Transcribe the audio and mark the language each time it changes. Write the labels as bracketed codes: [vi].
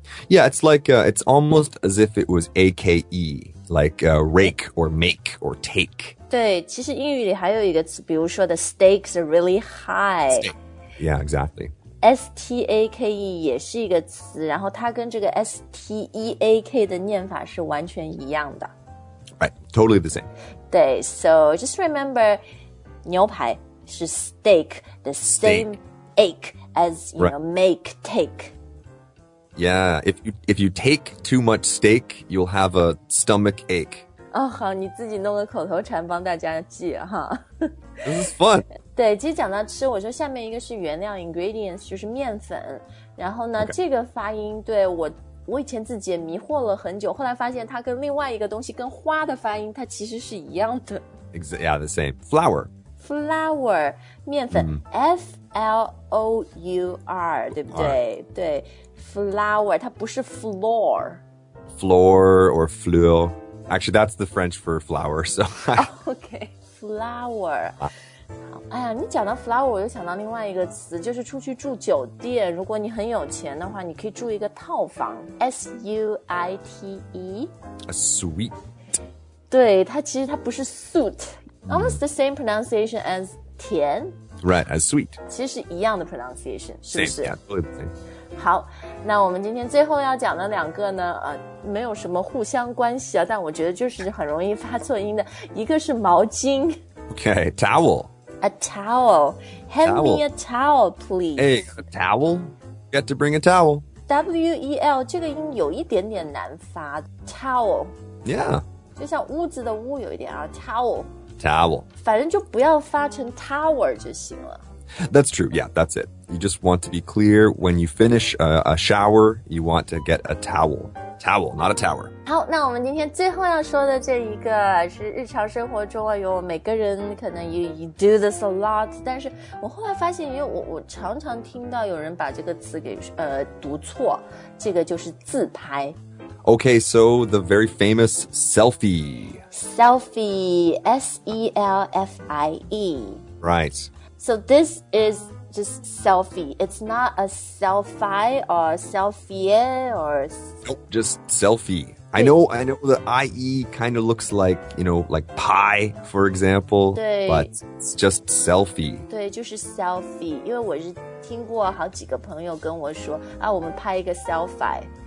[en] Yeah, it's like, it's almost as if it was A-K-E. like rake or make or take. [zh] 对，其实英语里还有一个词，比如说 [en] the stakes are really high. Stake. Yeah, exactly. [zh] S-T-A-K-E 也是一个词，然后它跟这个 S-T-E-A-K 的念法是完全一样的。 [en] Right, totally the same. 对 so just remember, [zh] 牛排是 [en] steak, the same ache as, you know, make, take. Yeah, if you take too much steak, you'll have a stomach ache. [zh] 哦、oh, ，好，你自己弄个口头禅帮大家记哈。 [en] This is fun. [zh] 对，其实讲到吃，我说下面一个是原料 ingredients, 就是面粉。然后呢、okay. 这个发音对我。我以前自己也迷惑了很久，后来发现它跟另外一个东西，跟花的发音，它其实是一样的。 [en] Exactly, yeah, the same. Flour. Flour, 面粉、mm-hmm. F-L-O-U-R, [zh] 对不对？ [en] Right. [zh] 对 ,Flour, 它不是 floor. [en] Floor or fleur. Actually, that's the French for flour, so... [zh] okay, flour.、哎呀，你讲到 flower， 我又想到另外一个词，就是出去住酒店。如果你很有钱的话，你可以住一个套房 ，suite。 [en] A suite。 [zh] 对，它其实它不是 suit， [en] almost the same pronunciation as [zh] 甜。 [en] Right, as sweet。 [zh] 其实是一样的 pronunciation， 是不是？ [en] Yeah, totally the same。 [zh] 好，那我们今天最后要讲的两个呢，没有什么互相关系啊，但我觉得就是很容易发错音的，一个是毛巾。 [en] Okay, towel. A towel. Hand towel. me a towel, please. Hey, a towel? You got to bring a towel. [zh] W-E-L, 这个音有一点点难发 Towel. [en] Yeah. [zh] 就像屋子的屋有一点啊 Towel. [en] Towel. [zh] 反正就不要发成 tower 就行了 [en] That's true. Yeah, that's it. You just want to be clear. When you finish a shower, you want to get a towel. Towel, not a tower. [zh] 好，那我们今天最后要说的这一个是日常生活中啊，有每个人可能 [en] you do this a lot， [zh] 但是我后来发现，因为我常常听到有人把这个词给读错，这个就是自拍。 [en] Okay, so the very famous selfie. Selfie, S-E-L-F-I-E. Right. So this is just selfie. It's not a selfie or selfie or... Nope, just selfie. I know the IE kind of looks like, you know, like pie, for example, [zh] 对 [en] but it's just selfie. [zh] 对就是 selfie, 因为我是听过好几个朋友跟我说啊我们拍一个 selfie.